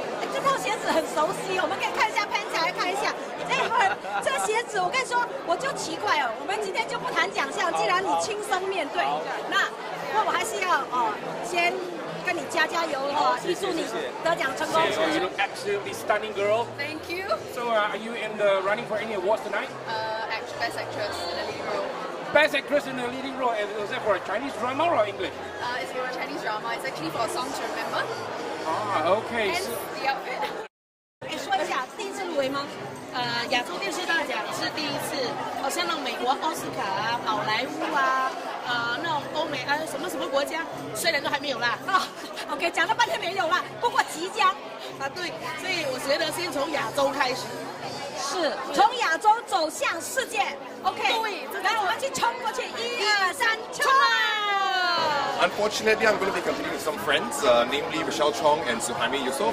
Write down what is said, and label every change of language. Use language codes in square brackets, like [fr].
[zh] 这套鞋子很熟悉，我们可以看一下潘姐，来看一下。这鞋子，我跟你说，我就奇怪哦。我们今天就不谈奖项，既然你亲身面对，那我还是要先跟你加加油哦，预祝你得奖成功。 [en] So you look absolutely stunning, girl. Thank you. So are you in the running for any awards tonight? Best actress in a leading role. Best actress in a leading role. And was that for a Chinese drama or English? It's for a Chinese drama. It's actually for a song to remember. Okay. And the outfit. [zh] 说一下，第一次入围吗？亚洲电视大奖是第一次，好像那种美国奥斯卡啊、宝莱坞啊，那种欧美什么什么国家，虽然都还没有啦。 OK, 讲了半天没有啦，不过即将。对，所以我觉得先从亚洲开始。是，从亚洲走向世界。OK, 对，来，我们去冲过去，一二三，冲啊！ [en] Unfortunately, I'm going to be competing with some friends, namely Michelle Chong and Suhaime Yusof.